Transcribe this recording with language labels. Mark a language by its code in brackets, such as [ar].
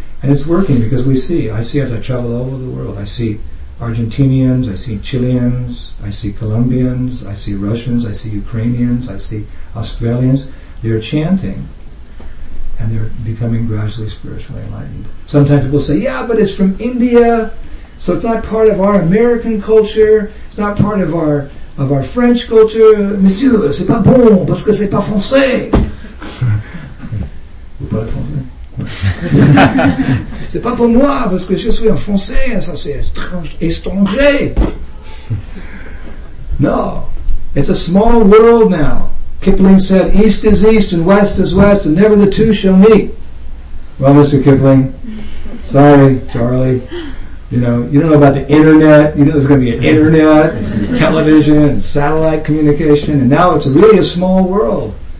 [en] And it's working because I see as I travel all over the world, I see Argentinians, I see Chileans, I see Colombians, I see Russians, I see Ukrainians, I see Australians. They're chanting and they're becoming gradually spiritually enlightened. Sometimes people say, yeah, but it's from India, so it's not part of our American culture, it's not part of our French culture. [fr] Monsieur, c'est pas bon parce que c'est pas français. Vous parlez français? C'est pas pour moi parce que je suis un français, ça c'est étranger. [en] No, it's a small world now. Kipling said, East is East and West is West, and never the two shall meet. Well, Mr. Kipling, sorry, Charlie. You don't know about the internet. You know there's going to be an internet, television, and satellite communication, and now it's really a small world.